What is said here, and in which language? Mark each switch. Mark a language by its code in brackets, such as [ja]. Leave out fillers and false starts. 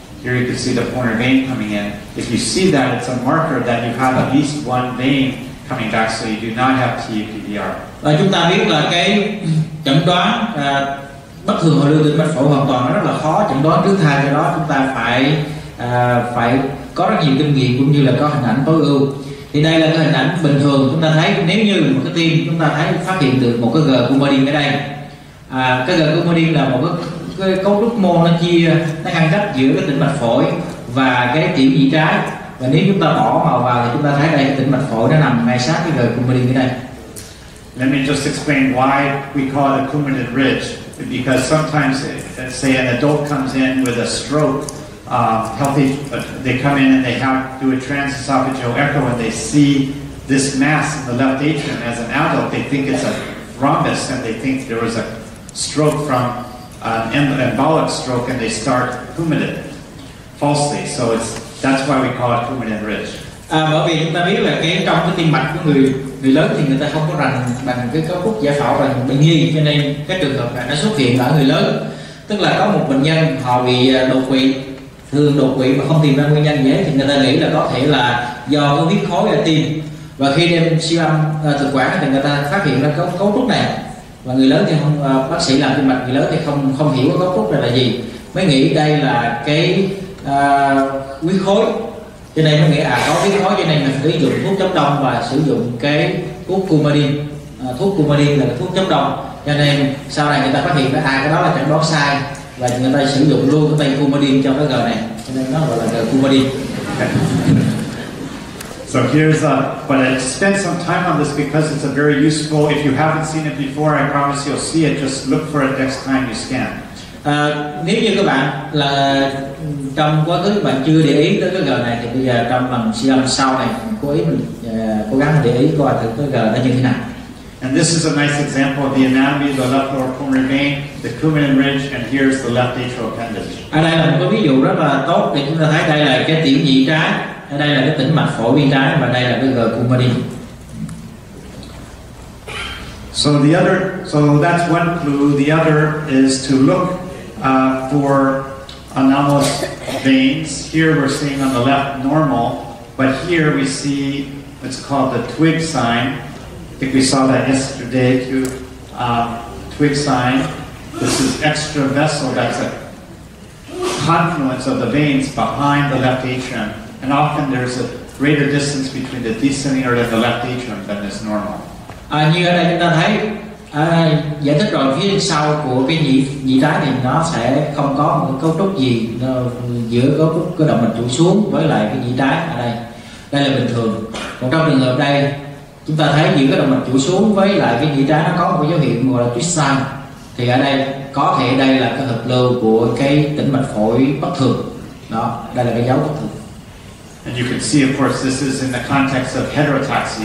[en] Here you can see the pulmonary vein coming in. If you see that, it's a marker that you have at least one vein coming back, so you do not have TAPVR. [vi] Và chúng ta biết là cái chẩn đoán bất thường hồi lưu tim mạch phổi hoàn toàn nó rất là khó chẩn đoán trước thai, do đó chúng ta phải phải có rất nhiều kinh nghiệm cũng như là có hình ảnh tối ưu. Thì đây là cái hình ảnh bình thường chúng ta thấy, nếu như một cái tim chúng ta thấy phát hiện được một cái gờ cumodin ở đây. Cái gờ cumodin là một cái cấu trúc mô nó chia, nó ngăn cách giữa cái tĩnh mạch phổi và cái tiểu nhĩ trái. Và nếu chúng ta bỏ màu vào thì chúng ta thấy đây cái tĩnh mạch phổi nó nằm ngay sát cái gờ cumodin ở đây. [en] Let me just explain why we call it a Coumadin ridge. Because sometimes, say an adult comes in with a stroke, healthy, they come in and they have do a transesophageal echo and they see this mass in the left atrium as an adult, they think it's a thrombus and they think there was a stroke from an embolic stroke and they start Coumadin falsely. So it's that's why we call it Coumadin ridge. [vi] Bởi vì chúng ta biết là cái trong cái tim mạch của người lớn thì người ta không có rành bằng cái cấu trúc giải phẫu rành bệnh nhi, cho nên cái trường hợp này nó xuất hiện ở người lớn, tức là có một bệnh nhân họ bị đột quỵ, thường đột quỵ mà không tìm ra nguyên nhân gì hết, thì người ta nghĩ là có thể là do cái huyết khối ở tim, và khi đem siêu âm thực quản thì người ta phát hiện ra cấu trúc này, và người lớn thì không, bác sĩ làm tim mạch người lớn thì không hiểu cấu trúc này là gì, mới nghĩ đây là cái huyết khối. Cho nên mới nghĩ có cái khó, cho nên mình sử dụng thuốc chống đông và sử dụng cái thuốc Coumadin. Thuốc Coumadin là thuốc chống đông. Cho nên sau này người ta phát hiện ra cái đó là chẩn đoán sai và người ta sử dụng luôn cái tên Coumadin cho cái gờ này. Cho nên nó gọi là gờ Coumadin. [en] So here's but I spent some time on this because it's a very useful. If you haven't seen it before, I promise you'll see it. Just look for it next time you scan. [vi] Nếu như các bạn là trong quá khứ bạn chưa để ý tới cái gờ này thì bây giờ trong lần siêu âm sau này cố ý mình cố gắng để ý coi thử cái gờ nó như thế nào. [en] And this is a nice example of the anatomy of the left lower pulmonary vein, the Coumadin ridge, and here's the left atrial appendage. [vi] Ở đây là một cái ví dụ rất là tốt để chúng ta thấy đây là cái tiểu nhĩ trái, ở đây là cái tĩnh mạch phổi bên trái và đây là cái gờ Coumadin. [en] So that's one clue. The other is to look for anomalous veins. Here we're seeing on the left normal, but here we see what's called the twig sign. I think we saw that yesterday too. Twig sign. This is extra vessel. That's a confluence of the veins behind the left atrium. And often there's a greater distance between the descending aorta and the left atrium than is normal. [vi] Như ở đây chúng ta thấy giải thích rồi, phía sau của cái nhĩ trái thì nó sẽ không có một cấu trúc gì giữa cái động mạch chủ xuống với lại cái nhĩ trái ở đây. Đây là bình thường. Còn trong trường hợp đây, chúng ta thấy giữa cái động mạch chủ xuống với lại cái nhĩ trái nó có một dấu hiệu gọi là twist sign. Thì ở đây có thể đây là cái hợp lưu của cái tĩnh mạch phổi bất thường. Đó, đây là cái dấu bất thường. [en] And you can see, of course, this is in the context of heterotaxy.